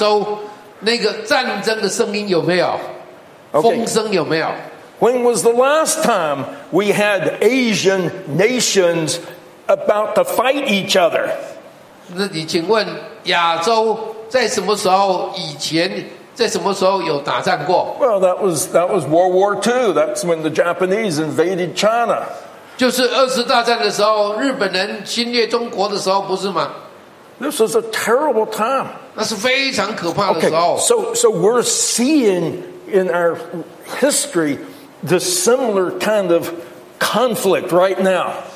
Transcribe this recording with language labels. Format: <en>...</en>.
<zh>但是请我们记得，你如果去看亚洲，那个战争的声音有没有？ Okay. 风声有没有？</zh> <en>When was the last time we had Asian nations about to fight each other?</en> <zh>那你请问亚洲在什么时候以前？在什么时候有打仗过？</zh> <en>Well, that was World War II. That's when the Japanese invaded China.</en> <zh>就是二次大战的时候，日本人侵略中国的时候，不是吗？</zh> <en>This was a terrible time.</en> <zh>那是非常可怕的时候。</zh> <en>Okay, so we're seeing in our history the similar kind of conflict right now.</en>